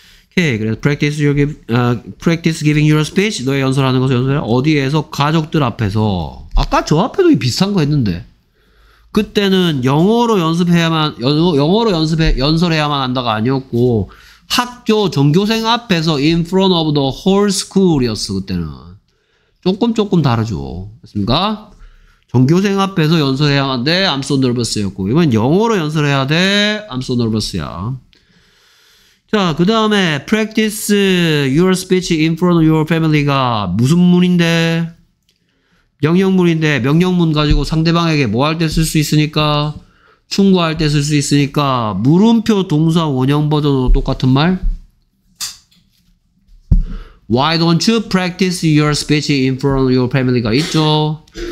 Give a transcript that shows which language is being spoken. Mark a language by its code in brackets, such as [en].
[en] Okay, [ko] 그래서 [en] practice your practice giving your speech. [ko] 너의 연설하는 것을 연설해. 어디에서? 가족들 앞에서. 아까 저 앞에도 비슷한 거 했는데. 그때는 영어로 연습해야만 영어로 연습해 연설해야만 한다가 아니었고 학교 전교생 앞에서 [en] in front of the whole school [ko] 이었어. 그때는 조금 다르죠. 됐습니까? 전교생 앞에서 연설해야 하는데 [en] I'm so nervous [ko] 였고 이번 영어로 연설해야 돼. [en] I'm so nervous야. [ko] 자, 그 다음에 [en] practice your speech in front of your family가 [ko] 무슨 문인데? 명령문인데 명령문 가지고 상대방에게 뭐 할 때 쓸 수 있으니까 충고할 때 쓸 수 있으니까 물음표 동사 원형 버전으로 똑같은 말. [en] Why don't you practice your speech in front of your family가 [ko] 있죠?